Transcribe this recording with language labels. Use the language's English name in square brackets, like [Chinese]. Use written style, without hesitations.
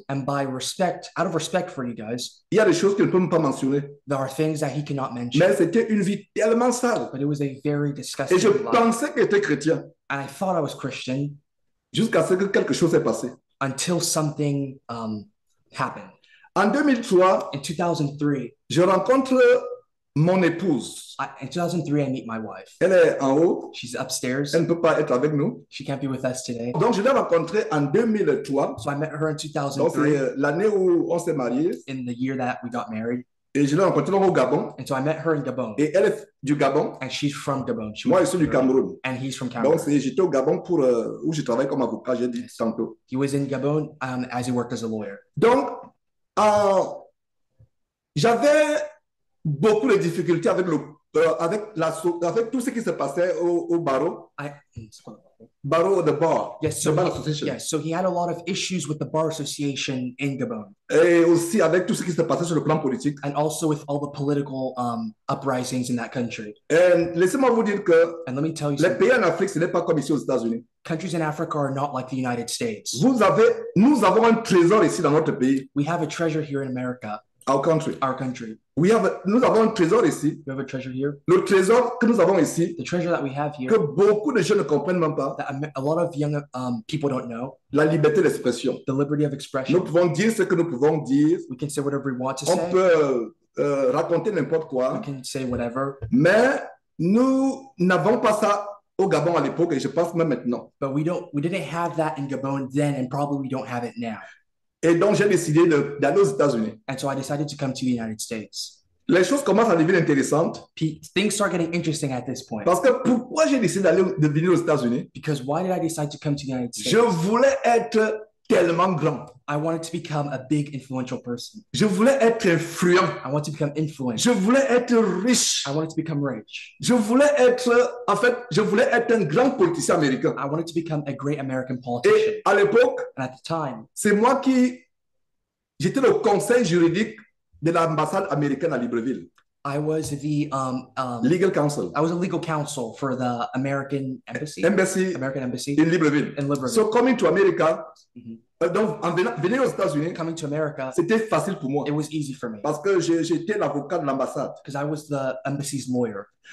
[English] And by respect, out of respect for you guys. [French] Il y a des choses qu'il ne peut même pas mentionner. [English] There are things that he cannot mention. [French] Mais c'était une vie tellement sale. [English] But it was a very disgusting life. [French] Et je pensais que j'étais chrétien. [English] And I thought I was Christian. [French] Jusqu'à ce que quelque chose s'est passé. [English] Until something happened. [French] En 2003. [English] In 2003. [French] Je rencontre mon épouse. [English] In 2003, I meet my wife. [French] Elle est en haut. [English] She's upstairs. [French] Elle ne peut pas être avec nous. [English] She can't be with us today. [French] Donc, je l'ai rencontrée en 2003. [English] So I met her in 2003. [French] Donc, c'est l'année où on s'est mariés. [English] In the year that we got married. [French] Et je l'ai rencontrée au Gabon. [English] And so I met her in Gabon. [French] Et elle est du Gabon. [English] And she's from Gabon. [French] Moi, je suis du Cameroun. [English] And he's from Cameroon. [French] Donc, j'étais au Gabon pour où je travaille comme avocat, j'ai dit tantôt. [English] He was in Gabon as he worked as a lawyer. [French] Donc, j'avais beaucoup de difficultés avec avec tout ce qui se passait au barreau. Barreau de bar. [English] Yes, so the bar he, association. Yes, so he had a lot of issues with the bar association in Gabon. [French] Et aussi avec tout ce qui se passait sur le plan politique. [English] And also with all the political uprisings in that country. [French] And laissez-moi vous dire que [English] and let me tell you [French] les [English] something. [French] Pays en Afrique, ce n'est pas comme ici aux États-Unis. [English] Countries in Africa are not like the United States. [French] Nous avons un trésor ici dans notre pays. [English] We have a treasure here in America. Our country. Our country. [French] Nous avons un trésor ici. [English] We have a treasure here. [French] Le trésor que nous avons ici. [English] The treasure that we have here. [French] Que beaucoup de jeunes ne comprennent même pas. [English] That a lot of young people don't know. [French] La liberté d'expression. [English] The liberty of expression. [French] Nous pouvons dire ce que nous pouvons dire. [English] We can say whatever we want to on say. [French] On peut raconter n'importe quoi. [English] We can say whatever. [French] Mais nous n'avons pas ça au Gabon à l'époque et je pense même maintenant. [English] But we didn't have that in Gabon then and probably we don't have it now. [French] Et donc, j'ai décidé d'aller aux États-Unis. [English] And so I decided to come to the United States. [French] Les choses commencent à devenir intéressantes. [English] Things start getting interesting at this point. [French] Parce que pourquoi j'ai décidé de venir aux États-Unis? [English] Because why did I decide to come to the United States? [French] Je voulais être tellement grand. [English] I wanted to become a big, influential person. [French] Je voulais être influent. [English] I wanted to become influential. [French] Je voulais être riche. [English] I wanted to become rich. [French] Je voulais être, en fait, je voulais être un grand politicien américain. [English] I wanted to become a great American politician. [French] Et à l'époque, [English] and at the time, [French] c'est moi qui, j'étais le conseil juridique de l'ambassade américaine à Libreville. [English] I was the legal counsel. I was a legal counsel for the American embassy. Embassy. American embassy. In Libreville. In Libreville. So coming to America. [French] Mm-hmm. Donc en venant aux États-Unis. [English] Coming to America. [French] C'était facile pour moi. [English] It was easy for me. [French] Parce que j'étais l'avocat de l'ambassade. [English] Because I was the embassy's lawyer.